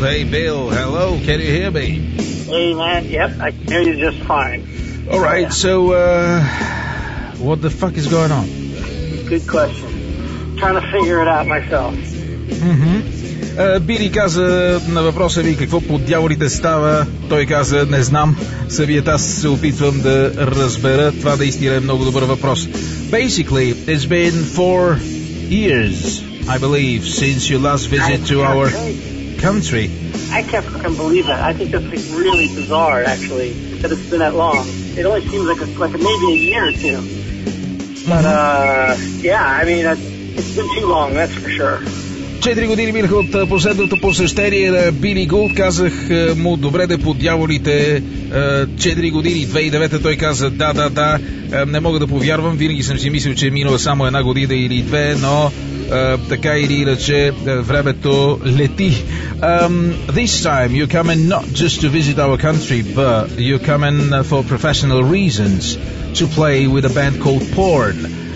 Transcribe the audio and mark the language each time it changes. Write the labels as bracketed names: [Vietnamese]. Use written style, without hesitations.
[English] Hey Bill, hello, can you hear me? Hey man, yep, I can hear you just fine. Alright, yeah. So what the fuck is going on? Good question. I'm trying to figure it out myself. Mm-hmm. [Bulgarian] Били каза на въпроса ви какво под дяволите става. Той каза, не знам. Съвият аз се опитвам да разбера. Това наистина е много добър въпрос. [English] Basically, it's been 4 years, I believe, since your last visit to our country. I can't fucking believe that. I think that's really bizarre, actually, that it's been that long. It only seems like maybe a year or two. But, yeah, I mean, it's been too long, that's for sure. [Bulgarian] 4 години минаха от последното посещение на Били Гулд. Казах му, добре де под дяволите, 4 години, 2009, той каза да, не мога да повярвам, винаги съм си мислил, че е минала само една година или две, но така или иначе времето лети. [English] This time you come in not just to visit our country, but you come in for professional reasons to play with a band called Porn.